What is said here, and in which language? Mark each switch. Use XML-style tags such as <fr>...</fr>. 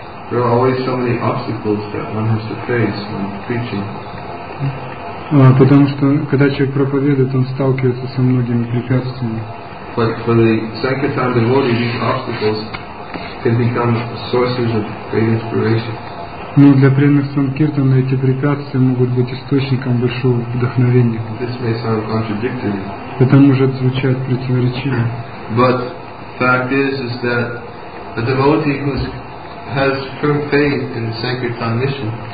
<en>There are always so many obstacles that one has to face when preaching.</en> <ru>Потому что, когда человек проповедует, он сталкивается со многими препятствиями.</ru> <en>But for the Sankirtan devotee, these obstacles can become sources of great inspiration.</en> <ru>Но для преданных Санкиртана эти препятствия могут быть источником большого вдохновения.</ru> <en>This may sound contradictory.</en> <ru>Это может звучать противоречиво.</ru> <en>But fact is that a devotee who has firm faith in the Sankirtan mission.</en>